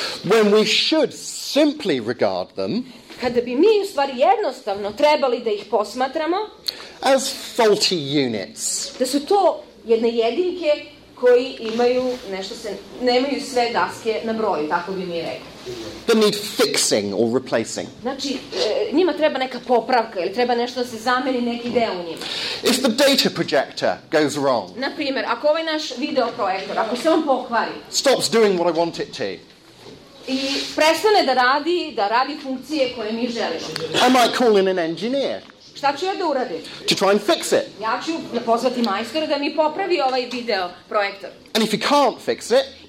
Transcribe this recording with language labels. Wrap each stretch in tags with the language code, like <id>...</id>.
<en>When we should simply regard them.</en> <sr>Kada bi mi u stvari jednostavno trebali da ih posmatramo</sr> <en>as faulty units.</en> <sr>Da su to jedne jedinke koji imaju nešto se nemaju sve daske na broju, tako bi mi rekli.</sr> <en>They need fixing or replacing.</en> <sr>Znači, njima treba neka popravka ili treba nešto da se zameni neki deo u njima.</sr> <en>If the data projector goes wrong.</en> <sr>Na primjer, ako ovaj naš video projektor, ako se on pokvari.</sr> <en>Stops doing what I want it to.</en> <sr>I prestane da radi funkcije koje mi želimo.</sr> <en>I might call in an engineer.</en> <sr>Šta ću ja da uradim?</sr> <en>To try and fix it.</en> <sr>Ja ću pozvati majstora da mi popravi ovaj video projektor.</sr> <en>And if he can't fix it,</en>